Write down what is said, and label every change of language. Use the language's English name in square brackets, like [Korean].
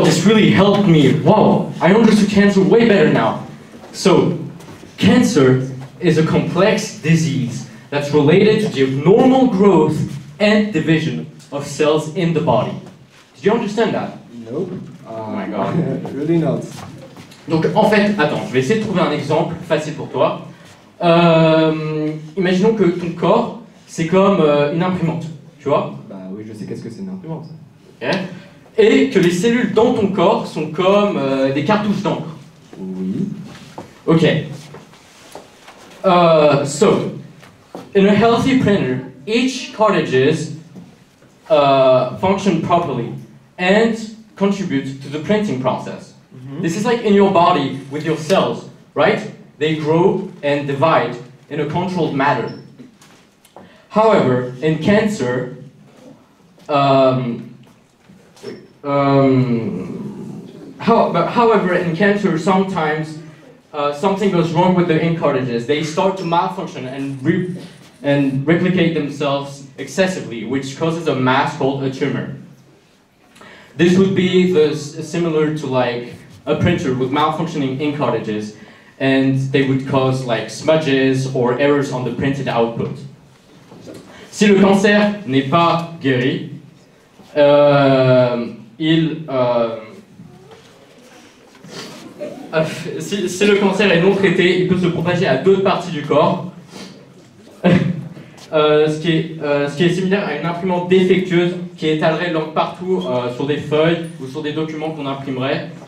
[English] Whoa, this really helped me. Whoa, I understood cancer way better now. So, cancer is a complex disease that's related to the abnormal growth and division of cells in the body. Did you understand that? Nope. Oh my god. Really not. [French] Donc en fait, attends, je vais essayer de trouver un exemple facile pour toi. Imaginons que ton corps, c'est comme une imprimante, tu vois? Bah oui, je sais qu'est-ce que c'est une imprimante. Ok. Et que les cellules dans ton corps sont comme des cartouches d'encre. Oui. Ok. [English] So, in a healthy printer, each cartridge function properly and contribute to the printing process. Mm-hmm. This is like in your body with your cells, right? They grow and divide in a controlled manner. However, in cancer, sometimes something goes wrong with the ink cartridges. They start to malfunction and replicate themselves excessively, which causes a mass called a tumor. This would be similar to like a printer with malfunctioning ink cartridges, and they would cause like smudges or errors on the printed output. [French] Si le cancer n'est pas guéri, si le cancer est non traité, il peut se propager à d'autres parties du corps. Ce qui est similaire à une imprimante défectueuse qui étalerait l'encre partout sur des feuilles ou sur des documents qu'on imprimerait.